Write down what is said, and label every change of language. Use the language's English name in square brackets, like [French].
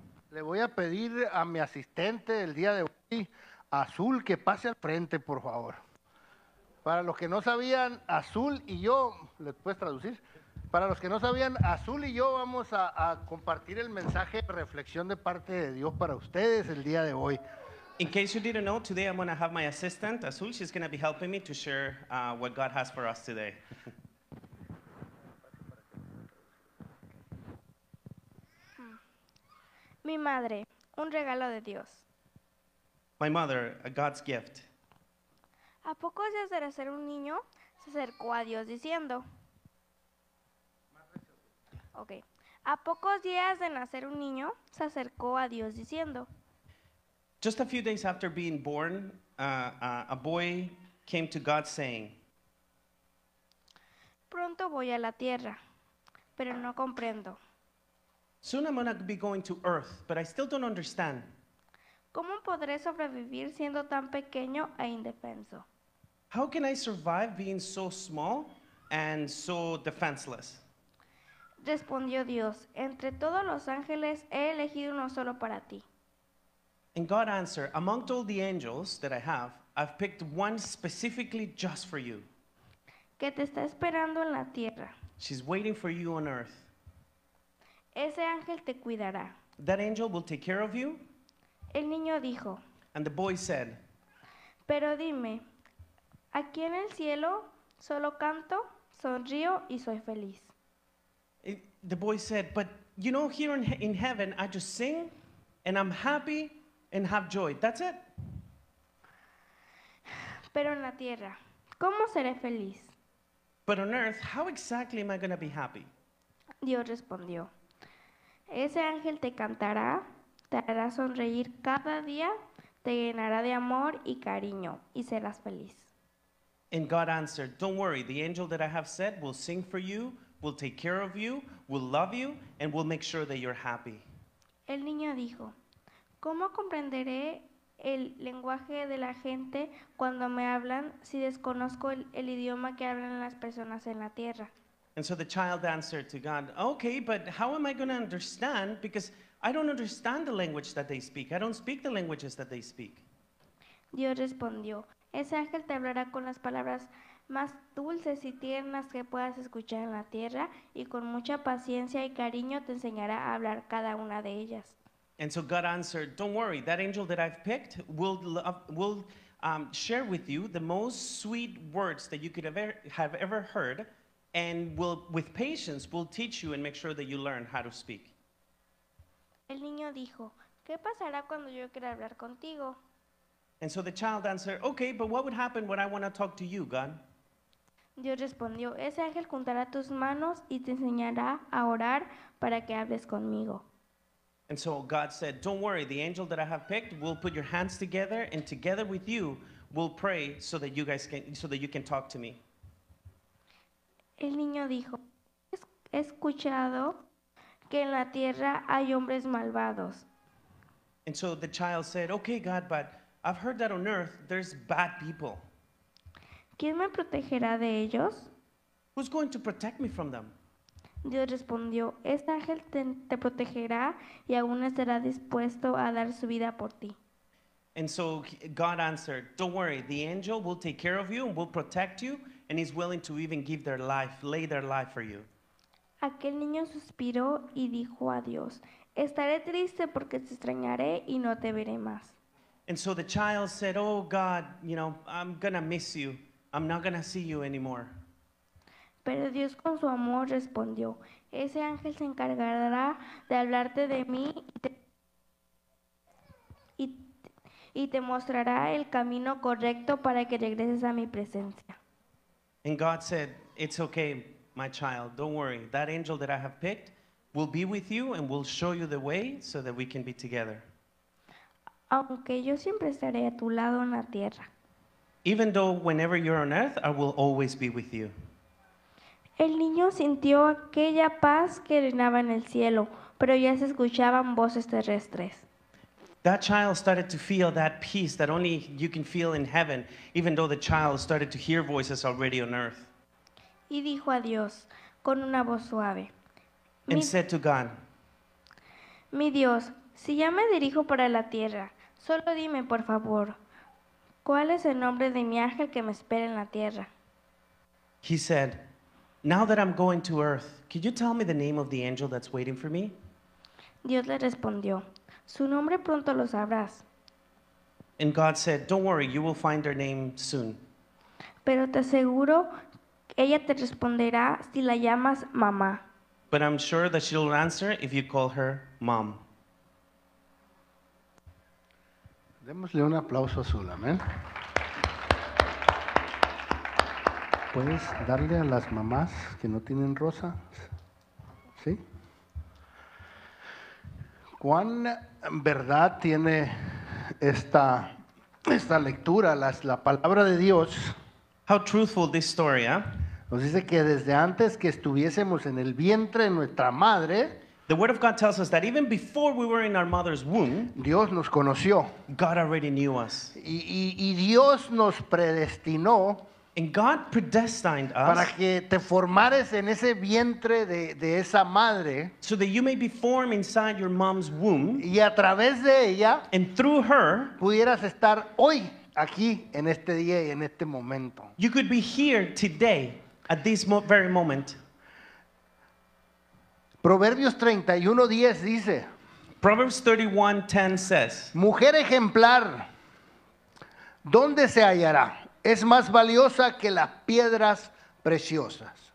[Spanish] Le voy a pedir a mi asistente el día de hoy, Azul, que pase al frente, por favor. Para los que no sabían, Azul y yo, ¿le puedes traducir? Para los que no sabían, Azul y yo vamos a compartir el mensaje de reflexión de parte de Dios para ustedes el día de hoy. [English] In case you didn't know, today I'm going to have my assistant, Azul. She's going to be helping me to share what God has for us today. [Spanish] Mi madre, un regalo de Dios. [English] My mother, a God's gift. [Spanish] ¿A pocos días de ser un niño, se acercó a Dios diciendo? Okay. ¿A pocos días de nacer un niño, se acercó a Dios diciendo? [English] Just a few days after being born, a boy came to God saying, [Spanish] pronto voy a la tierra, pero no comprendo. [English] Soon I'm going to be going to Earth, but I still don't understand. [Spanish] ¿Cómo podré sobrevivir siendo tan pequeño e indefenso? [English] How can I survive being so small and so defenseless? [Spanish] Respondió Dios, entre todos los ángeles he elegido uno solo para ti. [English] And God answered, among all the angels that I have, I've picked one specifically just for you. [Spanish] Que te está esperando en la tierra. [English] She's waiting for you on Earth. [Spanish] Ese ángel te cuidará. [English] That angel will take care of you. [Spanish] El niño dijo. [English] And the boy said. [Spanish] Pero dime, aquí en el cielo solo canto, sonrío y soy feliz. [English] The boy said, but you know, here in heaven I just sing and I'm happy and have joy. That's it. [Spanish] Pero en la tierra, ¿cómo seré feliz? [English] But on earth, how exactly am I going to be happy? [Spanish] Dios respondió. Ese ángel te cantará, te hará sonreír cada día, te llenará de amor y cariño, y serás feliz. [English] And God answered, don't worry, the angel that I have sent will sing for you, will take care of you, will love you, and will make sure that you're happy. [Spanish] El niño dijo, ¿cómo comprenderé el lenguaje de la gente cuando me hablan si desconozco el idioma que hablan las personas en la tierra? [English] And so the child answered to God, okay, but how am I going to understand? Because I don't understand the language that they speak. I don't speak the languages that they speak. [Spanish] Dios respondió, ese ángel te hablará con las palabras más dulces y tiernas que puedas escuchar en la tierra, y con mucha paciencia y cariño te enseñará a hablar cada una de ellas. [English] And so God answered, don't worry, that angel that I've picked will share with you the most sweet words that you could ever have ever heard, and will, with patience, will teach you and make sure that you learn how to speak. [Spanish] El niño dijo, ¿qué pasará cuando yo quiera hablar contigo? [English] And so the child answered, okay, but what would happen when I want to talk to you, God? [Spanish] Dios respondió, ese ángel juntará tus manos y te enseñará a orar para que hables conmigo. [English] And so God said, don't worry, the angel that I have picked will put your hands together, and together with you will pray so that you guys can, so that you can talk to me. [Spanish] El niño dijo, he escuchado que en la tierra hay hombres malvados. [English] And so the child said, okay, God, but I've heard that on earth there's bad people. [Spanish] ¿Quién me protegerá de ellos? [English] Who's going to protect me from them? [Spanish] Dios respondió, este ángel te protegerá y aún estará dispuesto a dar su vida por ti. [English] And so God answered, don't worry, the angel will take care of you and will protect you, and he's willing to even give their life, lay their life for you. [Spanish] Aquel niño suspiró y dijo a Dios, estaré triste porque te extrañaré y no te veré más. [English] And so the child said, oh God, you know, I'm gonna miss you. I'm not gonna see you anymore. [Spanish] Pero Dios con su amor respondió, ese ángel se encargará de hablarte de mí y te mostrará el camino correcto para que regreses a mi presencia. [English] And God said, it's okay, my child, don't worry. That angel that I have picked will be with you and will show you the way so that we can be together. [Spanish] Aunque yo siempre estaré a tu lado en la tierra. [English] Even though whenever you're on earth, I will always be with you. [Spanish] El niño sintió aquella paz que reinaba en el cielo, pero ya se escuchaban voces terrestres. [English] That child started to feel that peace that only you can feel in heaven, even though the child started to hear voices already on earth. [Spanish] Y dijo a Dios con una voz suave. [English] And said to God, [Spanish] mi Dios, si ya me dirijo para la tierra, solo dime, por favor, ¿cuál es el nombre de mi ángel que me espera en la tierra? [English] He said, now that I'm going to earth, could you tell me the name of the angel that's waiting for me? [Spanish] Dios le respondió, su nombre pronto lo sabrás. [English] And God said, don't worry, you will find their name soon. [Spanish] Pero te aseguro, ella te responderá si la llamas mamá. [English] But I'm sure that she'll answer if you call her mom. [Spanish] Démosle un aplauso azul, amén. ¿Puedes darle a las mamás que no tienen rosa? ¿Sí? ¿Cuán verdad tiene esta lectura, la palabra de Dios? [English] How truthful this story, ¿eh? [Spanish] Nos dice que desde antes que estuviésemos en el vientre de nuestra madre, [English] the word of God tells us that even before we were in our mother's womb, [Spanish] Dios nos conoció. [English] God already knew us. [Spanish] Y Dios nos predestinó. [English] And God predestined us [Spanish] para que te formares en ese vientre de esa madre, [English] so that you may be formed inside your mom's womb, [Spanish] y a través de ella, [English] and through her, [Spanish] pudieras estar hoy aquí en este día y en este momento. [English] You could be here today at this very moment. [Spanish] Proverbios 31:10 dice, [English] Proverbs 31:10 says, [Spanish] mujer ejemplar, ¿dónde se hallará? Es más valiosa que las piedras preciosas.